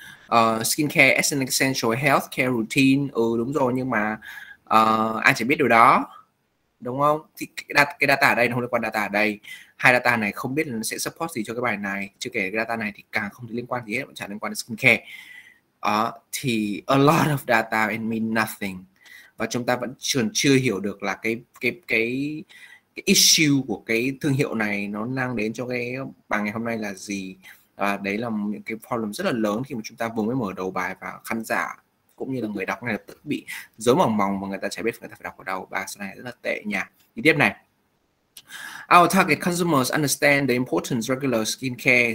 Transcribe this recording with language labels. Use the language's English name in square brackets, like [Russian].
[English] Skincare as an essential healthcare routine, [Vietnamese] ừ đúng rồi, nhưng mà ai chỉ biết điều đó đúng không? Thì cái data ở đây, nó không liên quan data ở đây. Hai data này không biết là nó sẽ support gì cho cái bài này. Chưa kể cái data này thì càng không liên quan gì hết, chẳng liên quan đến skincare. [English] Thì a lot of data and mean nothing. [Vietnamese] Và chúng ta vẫn chưa hiểu được là cái issue của cái thương hiệu này nó mang đến cho cái bài ngày hôm nay là gì. Đấy là những cái problem rất là lớn khi mà chúng ta vừa mới mở đầu bài và khán giả cũng như là người đọc này tự bị dối mỏng mỏng mà người ta chả biết người ta phải đọc ở đâu. Và slide này rất là tệ nha. Đi tiếp này. [English] Our target consumers understand the importance of regular skincare.